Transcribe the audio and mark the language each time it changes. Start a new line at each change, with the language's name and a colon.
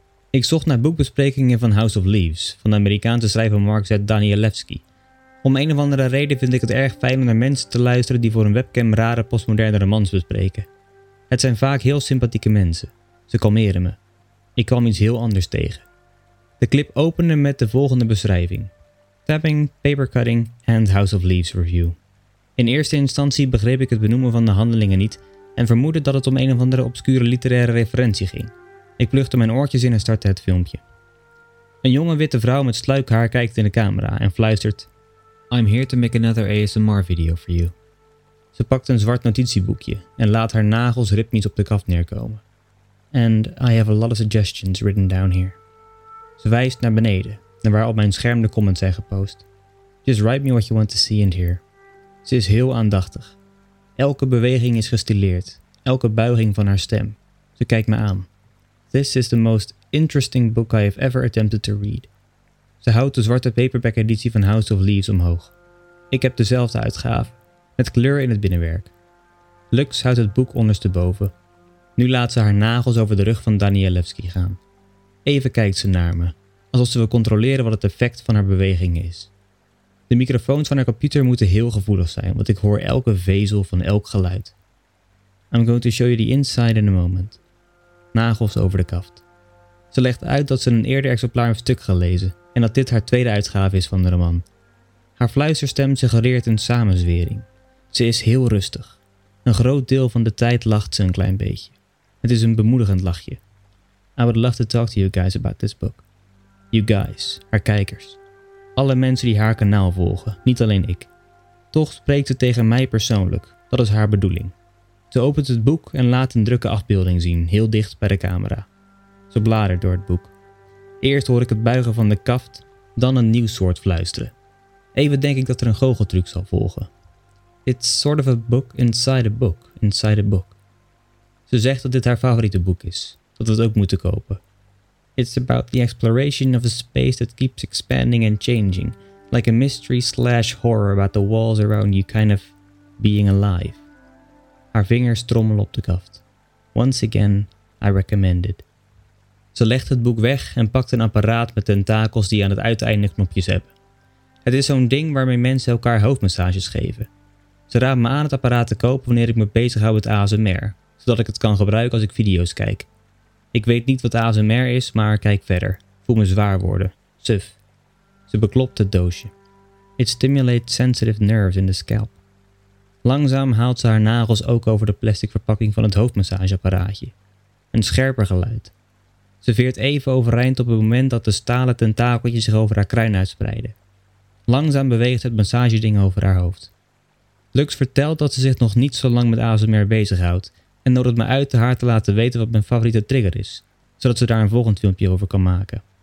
Dutch: Ik zocht naar boekbesprekingen van House of Leaves, van de Amerikaanse schrijver Mark Z. Danielewski. Om een of andere reden vind ik het erg fijn om naar mensen te luisteren die voor een webcam rare postmoderne romans bespreken. Het zijn vaak heel sympathieke mensen. Ze kalmeren me. Ik kwam iets heel anders tegen. De clip opende met de volgende beschrijving.
English: Tapping, papercutting and House of Leaves review.
Dutch: In eerste instantie begreep ik het benoemen van de handelingen niet en vermoedde dat het om een of andere obscure literaire referentie ging. Ik pluchte mijn oortjes in en startte het filmpje. Een jonge witte vrouw met sluik haar kijkt in de camera en fluistert:
English: I'm here to make another ASMR video for you.
Dutch: Ze pakt een zwart notitieboekje en laat haar nagels ritmisch op de kaft neerkomen.
English: And I have a lot of suggestions written down here.
Dutch: Ze wijst naar beneden, naar waar op mijn scherm de comments zijn gepost.
English: Just write me what you want to see and hear.
Dutch: Ze is heel aandachtig. Elke beweging is gestileerd, elke buiging van haar stem. Ze kijkt me aan.
English: This is the most interesting book I have ever attempted to read.
Dutch: Ze houdt de zwarte paperback editie van House of Leaves omhoog. Ik heb dezelfde uitgave, met kleur in het binnenwerk. Lux houdt het boek ondersteboven. Nu laat ze haar nagels over de rug van Danielewski gaan. Even kijkt ze naar me, alsof ze wil controleren wat het effect van haar beweging is. De microfoons van haar computer moeten heel gevoelig zijn, want ik hoor elke vezel van elk geluid.
English: I'm going to show you the inside in a moment.
Dutch: Nagels over de kaft. Ze legt uit dat ze een eerder exemplaar heeft stuk gelezen en dat dit haar tweede uitgave is van de roman. Haar fluisterstem suggereert een samenzwering. Ze is heel rustig. Een groot deel van de tijd lacht ze een klein beetje. Het is een bemoedigend lachje.
English: I would love to talk to you guys about this book. You guys,
Dutch: haar kijkers. Alle mensen die haar kanaal volgen, niet alleen ik. Toch spreekt ze tegen mij persoonlijk, dat is haar bedoeling. Ze opent het boek en laat een drukke afbeelding zien, heel dicht bij de camera. Ze bladert door het boek. Eerst hoor ik het buigen van de kaft, dan een nieuw soort fluisteren. Even denk ik dat er een goocheltruc zal volgen.
English: It's sort of a book inside a book, inside a book.
Dutch: Ze zegt dat dit haar favoriete boek is, dat we het ook moeten kopen.
English: It's about the exploration of a space that keeps expanding and changing, like a mystery slash horror about the walls around you kind of being alive.
Dutch: Haar vingers trommelen op de kaft.
English: Once again, I recommend it.
Dutch: Ze legt het boek weg en pakt een apparaat met tentakels die aan het uiteinde knopjes hebben. Het is zo'n ding waarmee mensen elkaar hoofdmassages geven. Ze raadt me aan het apparaat te kopen wanneer ik me bezighoud met ASMR, zodat ik het kan gebruiken als ik video's kijk. Ik weet niet wat ASMR is, maar kijk verder. Voel me zwaar worden. Suf. Ze beklopt het doosje.
English: It stimulates sensitive nerves in the scalp.
Dutch: Langzaam haalt ze haar nagels ook over de plastic verpakking van het hoofdmassageapparaatje. Een scherper geluid. Ze veert even overeind op het moment dat de stalen tentakeltjes zich over haar kruin uitspreiden. Langzaam beweegt het massageding over haar hoofd. Lux vertelt dat ze zich nog niet zo lang met ASMR bezighoudt en nodigt me uit haar te laten weten wat mijn favoriete trigger is, zodat ze daar een volgend filmpje over kan maken.